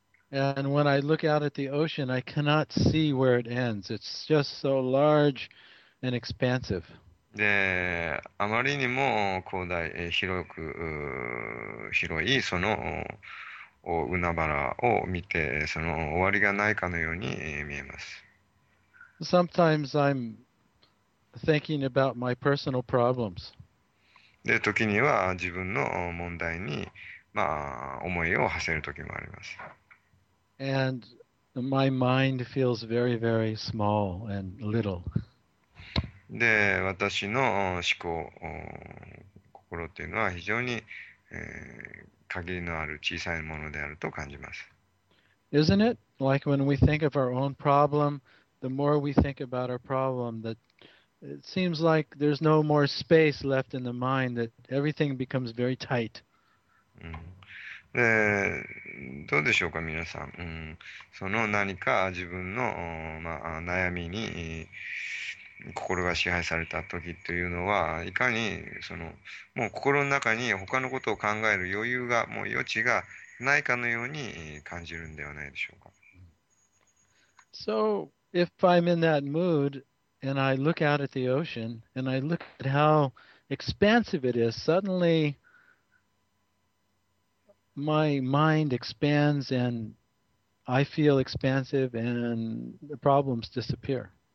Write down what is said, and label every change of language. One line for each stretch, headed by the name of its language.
English: And when I look out at the ocean, I cannot see where it ends. It's just so large and expansive.
Japanese: で、あまりにも広大、広く、広いその海原を見て、その終わりがないかのように見えます。
English: Sometimes I'm thinking about my personal problems.
Japanese: で、時には自分の問題に、まあ、思いを馳せる時もあります。
English: And my mind feels very, very small and little.
Japanese: で、私の思考、心っていうのは非常に、限りのある小さいものであると感じます。
English: Isn't it? Like when we think of our own problem, the more we think about our problem, that it seems like there's no more space left in the mind, that everything becomes very tight. うん。
Japanese: で、どうでしょうか、皆さん。うん、その何か自分の、まあ、悩みに心が支配された時というのは、いかにそのもう心の中に他のことを考える余裕が、もう余地がないかのように感じるんではないでしょうか。
English: So, if I'm in that mood and I look out at the ocean and I look at how expansive it is, suddenly my mind expands and I feel expansive and the problems disappear.